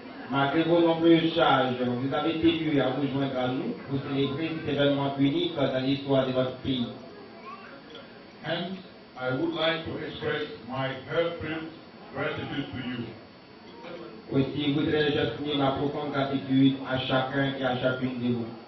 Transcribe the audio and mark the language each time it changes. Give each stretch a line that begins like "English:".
French: malgré vos nombreuses charges, vous avez tenu à vous joindre à nous pour célébrer cet événement unique dans l'histoire de votre pays.
English: Hence, I would like to express my heartfelt gratitude to you.
French: Aussi, voudrais-je exprimer ma profonde gratitude à chacun et à chacune de vous.